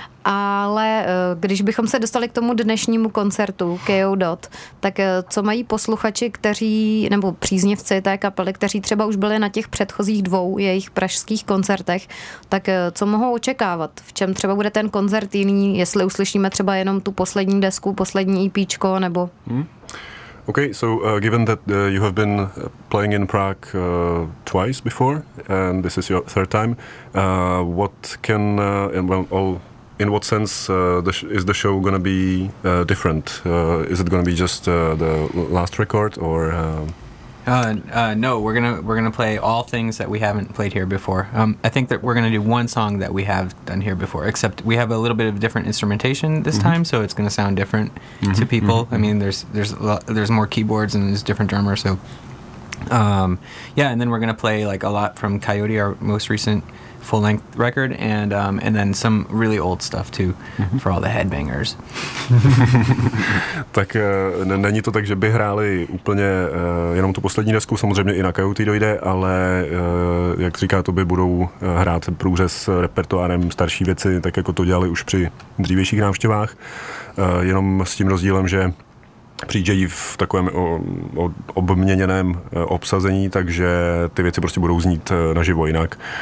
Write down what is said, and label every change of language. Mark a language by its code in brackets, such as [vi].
[cs] Ale když bychom se dostali k tomu dnešnímu koncertu KO.DOT, tak co mají posluchači, kteří, nebo příznivci té kapely, kteří třeba už byli na těch předchozích dvou jejich pražských koncertech, tak co mohou očekávat? V čem třeba bude ten koncert jiný, jestli uslyšíme třeba jenom tu poslední desku, poslední EPčko, nebo... [en] Okay, so given that you have been playing in Prague twice before, and this is your third time, what can is the show going to be different? Is it going to be just the last record, or? No, we're gonna play all things that we haven't played here before. I think that we're gonna do one song that we have done here before, except we have a little bit of different instrumentation this mm-hmm. time, so it's gonna sound different mm-hmm. to people. Mm-hmm. I mean, there's more keyboards and there's different drummers. So, and then we're gonna play like a lot from Coyote, our most recent full length record, and then some really old stuff too, mm-hmm. for all the headbangers. [cs] Tak není to tak, že by hráli úplně jenom tu poslední desku, samozřejmě i na Coyote dojde, ale jak říká Toby, budou hrát průřez repertoárem starší věci, tak jako to dělali už při dřívějších návštěvách, jenom s tím rozdílem, že přijíždějí v takovém obměněném obsazení, takže ty věci prostě budou znít naživo jinak.